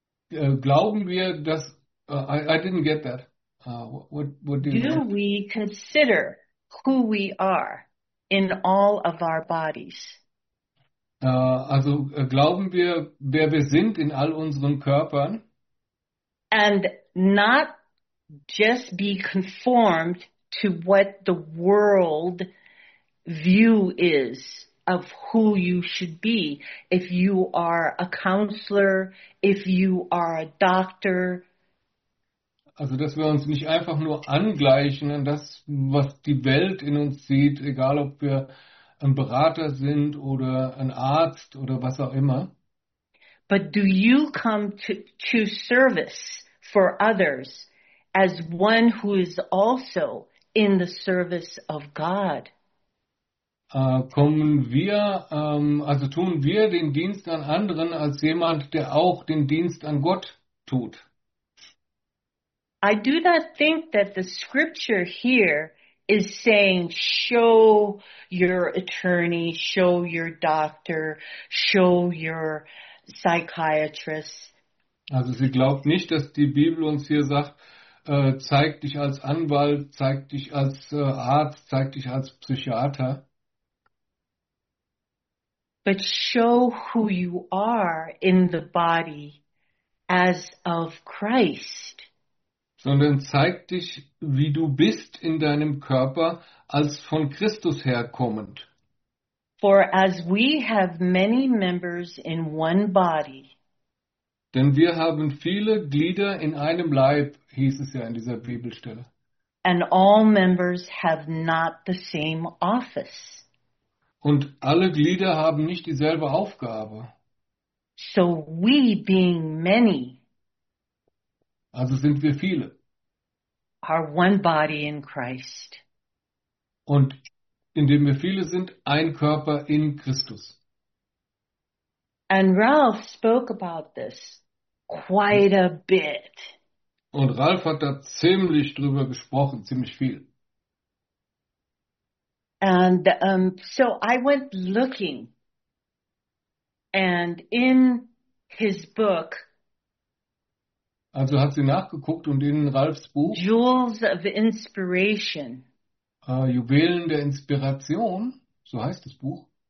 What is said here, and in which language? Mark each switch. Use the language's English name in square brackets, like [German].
[German] Glauben wir, dass [English] I didn't get that. What do you Do mean? we consider who we are in all of our bodies? [German] Also glauben wir, wer wir sind in all unseren Körpern? [English] And not just be conformed to what the world view is of who you should be. If you are a counselor, if you are a doctor. [German] Also, dass wir uns nicht einfach nur angleichen an das, was die Welt in uns sieht, egal ob wir ein Berater sind oder ein Arzt oder was auch immer. [English] But do you come to service for others as one who is also in the service of God? [German] Tun wir den Dienst an anderen als jemand, der auch den Dienst an Gott tut? [English] I do not think that the scripture here is saying, show your attorney, show your doctor, show your psychiatrist. [German] Also sie glaubt nicht, dass die Bibel uns hier sagt, zeig dich als Anwalt, zeig dich als Arzt, zeig dich als Psychiater. [English] But show who you are in the body as of Christ. [German] Sondern zeig dich, wie du bist in deinem Körper, als von Christus herkommend. [English] For as we have many members in one body, [German] denn wir haben viele Glieder in einem Leib, hieß es ja in dieser Bibelstelle. [English] and all members have not the same office. [German] Und alle Glieder haben nicht dieselbe Aufgabe. [English] So we being many, [German] also sind wir viele. [English] Are one body in Christ. [German] Und indem wir viele sind, ein Körper in Christus. [English] And Ralph spoke about this quite a bit. [German] Und Ralph hat da ziemlich drüber gesprochen, ziemlich viel. [English] And so I went looking, and in his book, [German] also hat sie nachgeguckt und in Ralfs Buch [English] Jewels of Inspiration, [German] Juwelen der Inspiration, so heißt das Buch.